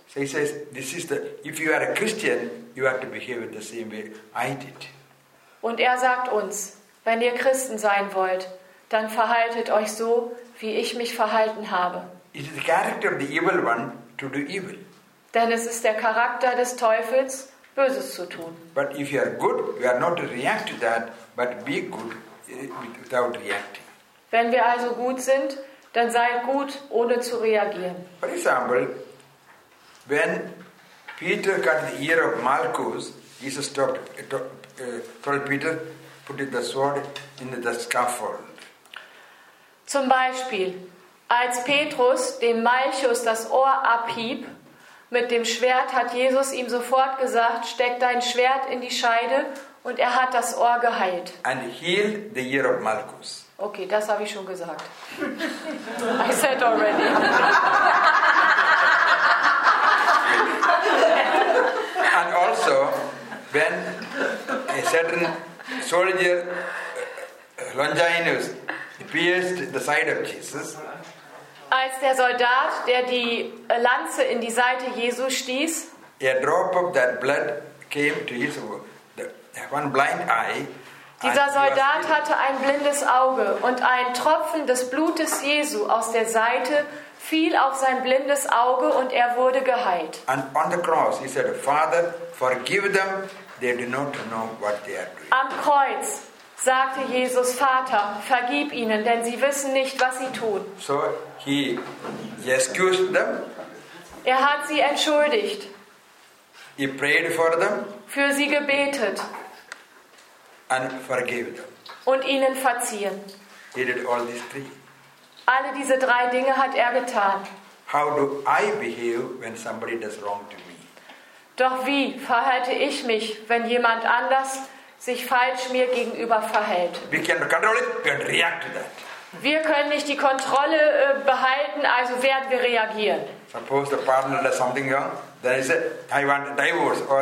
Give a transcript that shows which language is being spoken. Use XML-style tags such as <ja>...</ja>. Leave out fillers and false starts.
<en>So he says, this is the, if you are a Christian, you have to behave in the same way I did.</en> <de>Und er sagt uns, wenn ihr Christen sein wollt, dann verhaltet euch so, wie ich mich verhalten habe.</de> <en>It is the character of the evil one to do evil.</en> <de>Denn es ist der Charakter des Teufels, Böses zu tun.</de> <en>But if you are good, you are not to react to that, but be good without reacting.</en> <de>Wenn wir also gut sind, dann sei gut, ohne zu reagieren.</de> <en>For example, when Peter got the ear of Malchus, Jesus told Peter, put the sword in the scaffold.</en> <de>Zum Beispiel, als Petrus dem Malchus das Ohr abhieb mit dem Schwert, hat Jesus ihm sofort gesagt, steck dein Schwert in die Scheide, und er hat das Ohr geheilt.</de> <en>And healed the ear of Malchus.</en> <de>Okay, das habe ich schon gesagt.</de> <en>I said already. And also, when a certain soldier, Longinus, pierced the side of Jesus.</en> <de>Als der Soldat, der die Lanze in die Seite Jesu stieß,</de> <en>a drop of that blood came to his one blind eye.</en> <de>Dieser Soldat hatte ein blindes Auge, und ein Tropfen des Blutes Jesu aus der Seite fiel auf sein blindes Auge, und er wurde geheilt.</de> <en>And on the cross he said, Father, forgive them, they do not know what they are doing.</en> <de>Am Kreuz sagte Jesus, Vater, vergib ihnen, denn sie wissen nicht, was sie tun.</de> <en>So he excused them.</en> <de>Er hat sie entschuldigt.</de> <en>He prayed for them.</en> <de>Für sie gebetet.</de> <en>And forgave them.</en> <de>Und ihnen verziehen.</de> <en>He did all these three.</en> <de>Alle diese drei Dinge hat er getan.</de> <en>How do I behave when somebody does wrong to me?</en> <de>Doch wie verhalte ich mich, wenn jemand anders sich falsch mir gegenüber verhält?</de> <en>We can control it, we can react to that.</en> <de>Wir können nicht die Kontrolle behalten, also werden wir reagieren.</de> <en>Suppose the partner does something wrong, then I say, I want a divorce.</en>